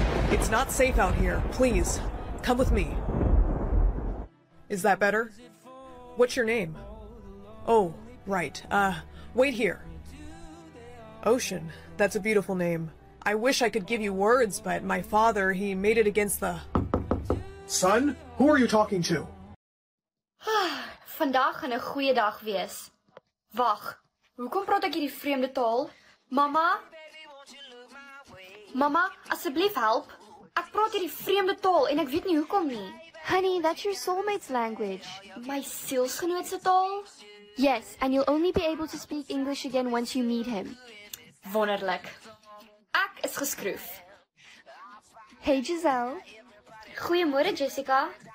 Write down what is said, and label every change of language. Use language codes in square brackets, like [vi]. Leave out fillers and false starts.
[en] It's not safe out here. Please, come with me. Is that better? What's your name? Oh, right. Wait here. Ocean, that's a beautiful name. I wish I could give you words, but my father, he made it against the... Son, who are you talking to? [af] Vandaag gaan 'n goeie dag wees. Wag, hoekom praat ek hierdie vreemde taal? Mama? Mama, asseblief help. Ek praat hierdie vreemde taal en ek weet nie hoekom nie. [en] Honey, that's your soulmate's language. [af] My sielsgenoot se taal? [en] Yes, and you'll only be able to speak English again once you meet him. [af] Wonderlik. Ek is geskroef. [en] Hey, Giselle. [af] Goeiemôre, Jessica.